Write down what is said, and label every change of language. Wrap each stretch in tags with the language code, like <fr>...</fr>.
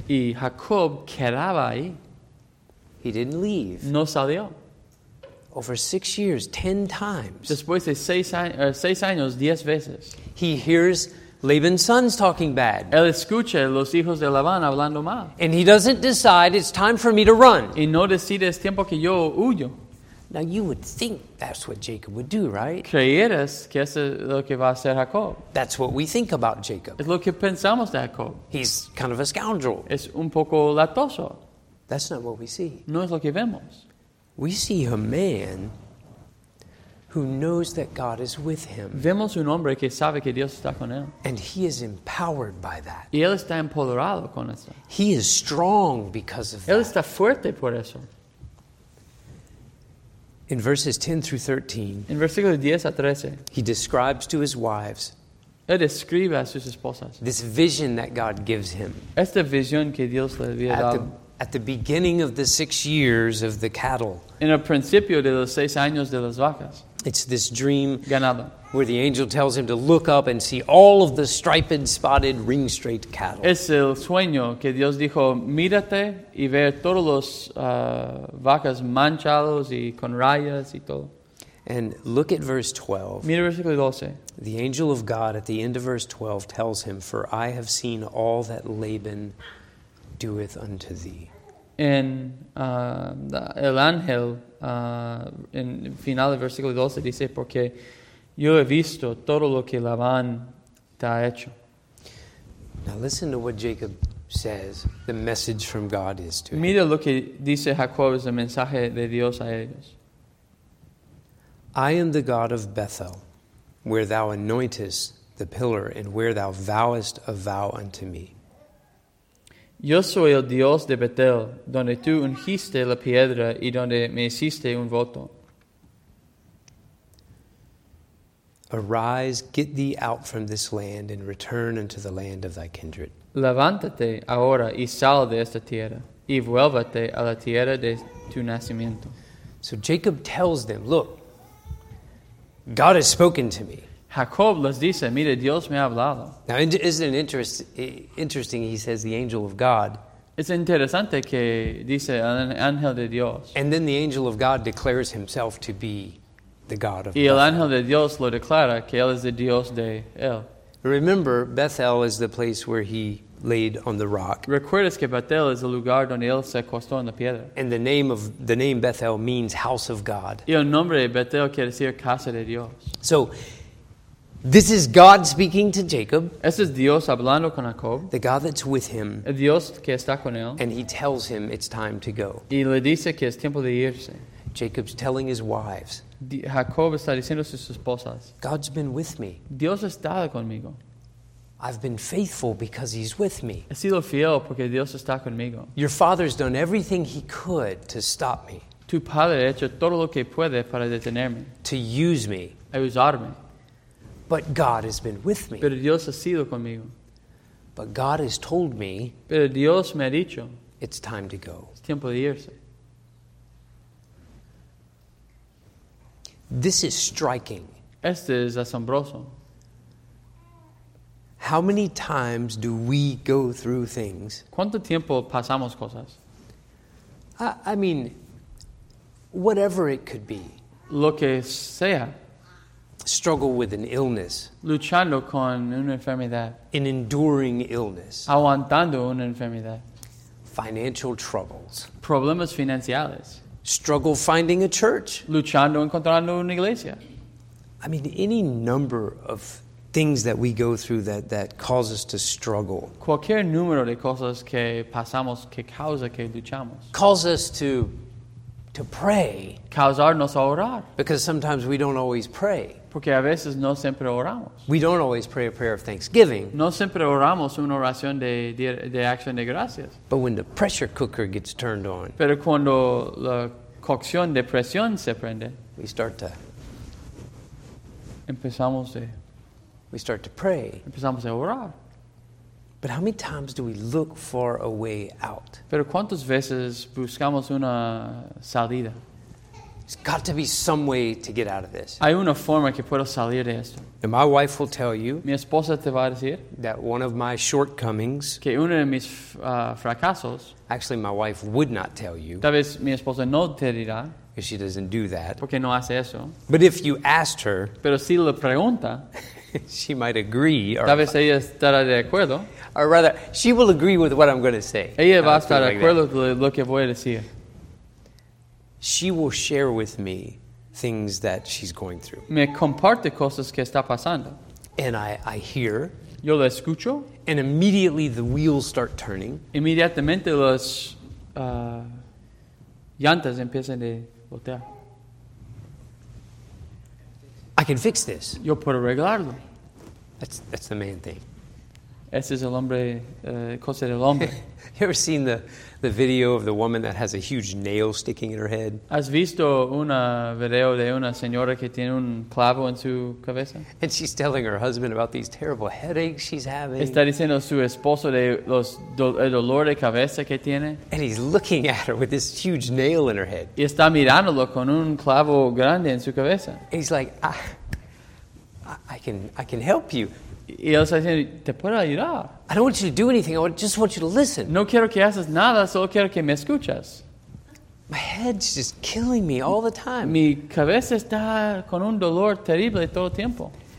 <es>Y Jacob quedaba ahí.</es> <en>He didn't leave.</en> <es>No salió.</es> <en>Over 6 years, 10 times.</en> <es>Después de seis años, 10 veces.</es> <en>He hears Laban's sons talking bad.</en> <es>Él escucha los hijos de Labán hablando mal.</es> <en>And he doesn't decide it's time for me to run.</en> <es>Y no decide es tiempo que yo huyo.</es> <en>Now you would think that's what Jacob would do, right?</en> <es>Creerás que eso es lo que va a hacer Jacob.</es> <en>That's what we think about Jacob.</en> <es>Es lo que pensamos de Jacob.</es> <en>He's kind of a scoundrel.</en> <es>Es un poco latoso.</es> <en>That's not what we see.</en> <es>No es lo que vemos.</es> <en>We see a man who knows that God is with him.</en> <es>Vemos un hombre que sabe que Dios está con él.</es> <en>And he is empowered by that.</en> <es>Y él está empoderado con eso.</es> <en>He is strong because of</en> <es>él</es> <en>that.</en> <es>Él está fuerte por eso.</es> <en>In verses 10 through 13.</en> <es>En versículo 10 a 13.</es> <en>He describes to his wives.</en> <es>Él describe a sus esposas.</es> <en>This vision that God gives him.</en> <es>Esta visión que Dios le había dado.</es> <en>At the beginning of the 6 years of the cattle.</en> <es>En el principio de los 6 años de las vacas.</es> <en>It's this dream.</en> <es>Ganado.</es> <en>Where the angel tells him to look up and see all of the striped, spotted, ring-straight cattle.</en> <es>Es el sueño que Dios dijo, mírate y ve todos los vacas manchados y con rayas y todo.</es> <en>And look at verse 12.</en> <es>Mira versículo 12.</es> <en>The angel of God at the end of verse 12 tells him, "For I have seen all that Laban doeth unto thee." And</en> <es>el ángel en final del versículo 12 dice, "Porque yo he visto todo lo que Labán te ha hecho."</es> <en>Now listen to what Jacob says the message from God is to him.</en> <es>Mira lo que dice Jacob, es el mensaje de Dios a ellos.</es> <en>"I am the God of Bethel, where thou anointest the pillar and where thou vowest a vow unto me."</en> <es>Yo soy el Dios de Betel, donde tú ungiste la piedra y donde me hiciste un voto.</es> <en>"Arise, get thee out from this land and return unto the land of thy kindred."</en> <es>Levántate ahora y sal de esta tierra y vuélvate a la tierra de tu nacimiento.</es> <en>So Jacob tells them, "Look, God has spoken to me."</en> <es>Jacob les dice, "Mira, Dios me ha hablado."</es> <en>Now, isn't it interesting he says the angel of God?</en> <es>Es interesante que dice el ángel de Dios.</es> <en>And then the angel of God declares himself to be the God of God.</en> <es>Y el ángel de Dios lo declara que él es el Dios de él.</es> <en>Remember, Bethel is the place where he laid on the rock.</en> <es>Recuerdas que Bethel es el lugar donde él se acostó en la piedra.</es> <en>And the name Bethel means house of God.</en> <es>Y el nombre de Bethel quiere decir casa de Dios.</es> <en>So, this is God speaking to Jacob.</en> <es>Este es Dios hablando con Jacob.</es> <en>The God that's with him.</en> <es>El Dios que está con él.</es> <en>And he tells him it's time to go.</en> <es>Y le dice que es tiempo de irse.</es> <en>Jacob's telling his wives.</en> <es>Jacob está diciendo a sus esposas.</es> <en>God's been with me.</en> <es>Dios ha estado conmigo.</es> <en>I've been faithful because he's with me.</en> <es>He sido fiel porque Dios está conmigo.</es> <en>Your father's done everything he could to stop me.</en> <es>Tu padre ha hecho todo lo que puede para detenerme.</es> <en>To use me.</en> <es>A usarme.</es> <en>But God has been with me.</en> <es>Pero Dios ha sido conmigo.</es> <en>But God has told me.</en> <es>Pero Dios me ha dicho.</es> <en>It's time to go.</en> <es>Es tiempo de irse.</es> <en>This is striking.</en> <es>Este es asombroso.</es> <en>How many times do we go through things?</en> <es>¿Cuánto tiempo pasamos cosas?</es> <en>I mean, whatever it could be.</en> <es>Lo que sea.</es> <en>Struggle with an illness.</en> <es>Luchando con una enfermedad.</es> <en>An enduring illness.</en> <es>Aguantando una enfermedad.</es> <en>Financial troubles.</en> <es>Problemas financieros.</es> <en>Struggle finding a church.</en> <es>Luchando encontrando una iglesia.</es> <en>I mean, any number of things that we go through that cause us to struggle.</en> <es>Cualquier número de cosas que pasamos que causa que luchamos.</es> <en>Calls us to pray.</en> <es>Causarnos a orar.</es> <en>Because sometimes we don't always pray.</en> <es>Porque a veces no siempre oramos.</es> <en>We don't always pray a prayer of thanksgiving.</en> <es>No siempre oramos una oración de acción de gracias.</es> <en>But when the pressure cooker gets turned on.</en> <es>Pero cuando la cocción de presión se prende.</es> <en>We start to.</en> <es>Empezamos de.</es> <en>We start to pray.</en> <es>Empezamos a orar.</es> <en>But how many times do we look for a way out?</en> <es>Pero cuántas veces buscamos una salida.</es> <en>There's got to be some way to get out of this.</en> <es>Hay una forma que puedo salir de esto.</es> <en>And my wife will tell you.</en> <es>Mi esposa te va a decir.</es> <en>That one of my shortcomings.</en> <es>Que uno de mis fracasos.</es> <en>Actually, my wife would not tell you.</en> <es>Tal vez mi esposa no te dirá.</es> <en>Because she doesn't do that.</en> <es>Porque no hace eso.</es> <en>But if you asked her.</en> <es>Pero si le pregunta.</es> <en>She might agree.</en> <es>Tal vez ella estará de acuerdo.</es> <en>Or rather, she will agree with what I'm going to say.</en> <es>Ella va a estar de acuerdo con lo que voy a decir.</es> <en>She will share with me things that she's going through.</en> <es>Me comparte cosas que está pasando.</es> <en>And I hear.</en> <es>Yo la escucho.</es> <en>And immediately the wheels start turning.</en> <es>Inmediatamente las llantas empiezan a voltear.</es> <en>I can fix this.</en> <es>Yo puedo arreglarlo.</es> <en>That's the main thing.</en> <es>Ese es el hombre, cosa del hombre.</es> <en>You ever seen the video of the woman that has a huge nail sticking in her head?</en> <es>¿Has visto una video de una señora que tiene un clavo en su cabeza?</es> <en>And she's telling her husband about these terrible headaches she's having.</en> <es>Está diciendo a su esposo de los dolor de cabeza que tiene.</es> <en>And he's looking at her with this huge nail in her head.</en> <es>Y está mirándolo con un clavo grande en su cabeza.</es> <en>And he's like, I can help you.</en> <es>Y él está diciendo, ¿te puedo ayudar?</es> <en>I don't want you to do anything. I just want you to listen.</en> <es>No quiero que haces nada. Solo quiero que me escuches.</es> <en>My head's just killing me all the time.</en> <es>Mi cabeza está con un dolor terrible todo el tiempo.</es>